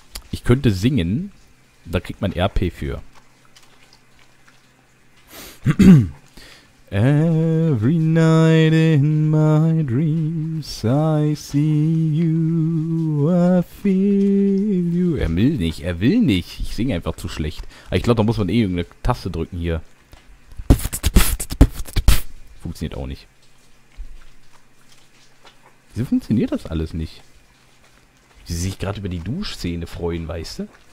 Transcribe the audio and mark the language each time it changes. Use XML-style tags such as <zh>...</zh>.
<de>Ich könnte singen, da kriegt man RP für.</de> <en>Every night in my dreams I see you, I feel you.</en> <de>Er will nicht, er will nicht. Ich singe einfach zu schlecht. Aber ich glaube, da muss man eh irgendeine Taste drücken hier. Funktioniert auch nicht. Wieso funktioniert das alles nicht? Wie sie sich gerade über die Duschszene freuen, weißt du?</de>